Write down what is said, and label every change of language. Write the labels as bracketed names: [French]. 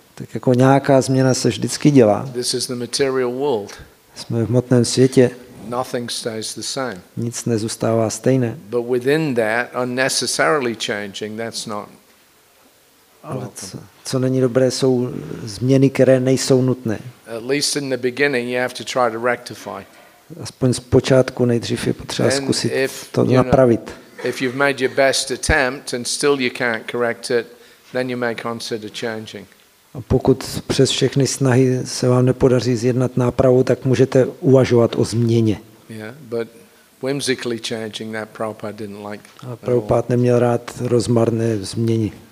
[Czech] Tak jako nějaká změna se vždycky dělá. [English] This is the material world. [Czech] Jsme v hmotném světě. [English] Nothing stays the same. [Czech] Nic nezůstává stejné. [English] But within that, unnecessarily changing, that's not. [Czech] Ale co není dobré, jsou změny, které nejsou nutné. [English] At least in the beginning, you have to try to rectify. [Czech] Aspoň z počátku nejdřív je potřeba zkusit to napravit. [English] If you've made your best attempt and still you can't correct it, then you may consider changing. [Czech] A pokud přes všechny snahy se vám nepodaří zjednat nápravu, tak můžete uvažovat o změně. [English] Yeah, like [Czech] a Prabhupada neměl rád rozmarné změny.